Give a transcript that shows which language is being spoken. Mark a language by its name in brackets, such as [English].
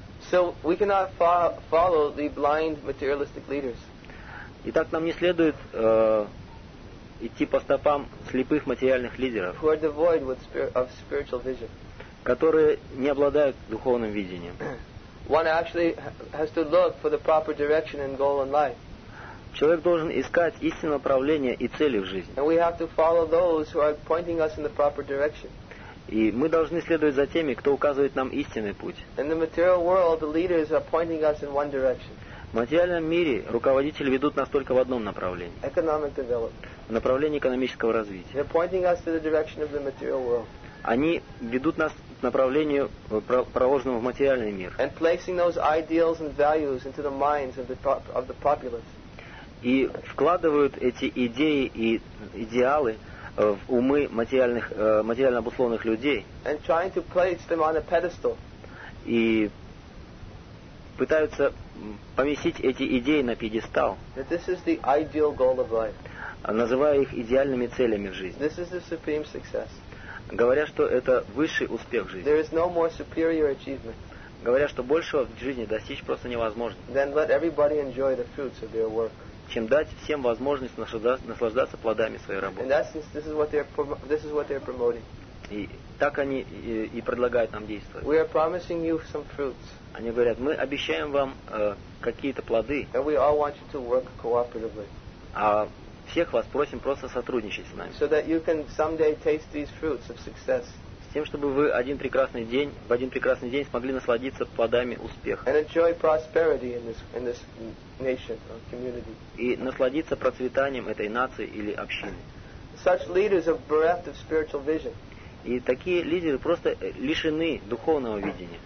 [English] So we cannot follow the blind materialistic leaders. [Russian] Итак, нам не следует идти по стопам слепых материальных лидеров, [English] who are devoid of spiritual vision, [Russian] которые не обладают духовным видением. [English] One actually has to look for the proper direction and goal in life. [Russian] Человек должен искать истинное направление и цели в жизни. [English] And we have to follow those who are pointing us in the proper direction. [Russian] И мы должны следовать за теми, кто указывает нам истинный путь. [English] In the material world, the leaders are pointing us in one direction. [Russian] В материальном мире руководители ведут нас только в одном направлении. [English] Economic development. [Russian] В направлении экономического развития. [English] They're pointing us to the direction of the material world. [Russian] Они ведут нас к направлению, проложенному в материальный мир. [English] And placing those ideals and values into the minds of the populace. [Russian] И вкладывают эти идеи и идеалы в умы материально обусловленных людей. [English] And trying to place them on a pedestal. [Russian] И пытаются поместить эти идеи на пьедестал. [English] That this is the ideal goal of life. [Russian] Называя их идеальными целями в жизни. [English] This is the supreme success. [Russian] Говоря, что это высший успех в жизни. [English] There is no more superior achievement. [Russian] Говоря, что большего в жизни достичь просто невозможно. [English] Then let everybody enjoy the fruits of their work. [Russian] Чем дать всем возможность наслаждаться плодами своей работы. [English] In essence, this is what they are promoting. [Russian] И так они и предлагают нам действовать. [English] We are promising you some fruits. [Russian] Они говорят, мы обещаем вам какие-то плоды. [English] And we all want you to work cooperatively. [Russian] А всех вас просим просто сотрудничать с нами. [English] So that you can someday taste these fruits of success. [Russian] С тем, чтобы вы в один прекрасный день смогли насладиться плодами успеха. [English] And enjoy prosperity in this nation or community. [Russian] И насладиться процветанием этой нации или общины. [English] Such leaders are bereft of spiritual vision. [Russian] И такие лидеры просто лишены духовного видения.